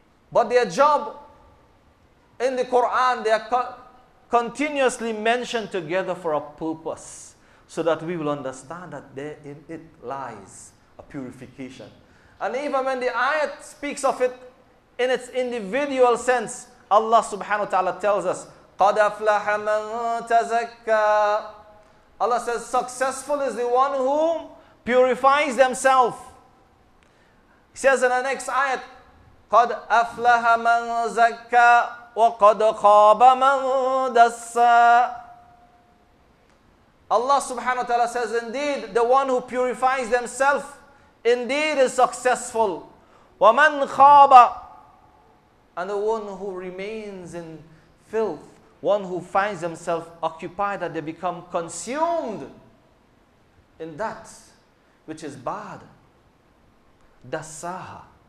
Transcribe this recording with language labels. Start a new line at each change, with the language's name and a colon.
English: But their job, in the Quran, they are continuously mentioned together for a purpose, so that we will understand that therein it lies a purification. And even when the ayat speaks of it in its individual sense, Allah subhanahu wa ta'ala tells us,
Arabic: قَدْ أَفْلَحَ مَنْ تَزَكَّى.
English: Allah says, successful is the one who purifies themselves. He says in the next ayat,
Arabic: قَدْ أَفْلَحَ مَنْ زَكَّى وَقَدْ خَابَ مَنْ دَسَّى.
English: Allah subhanahu wa ta'ala says, indeed, the one who purifies himself, indeed is successful.
Arabic: وَمَنْ خَابَ
English: And the one who remains in filth, one who finds himself occupied, that they become consumed in that which is bad. Dasaha.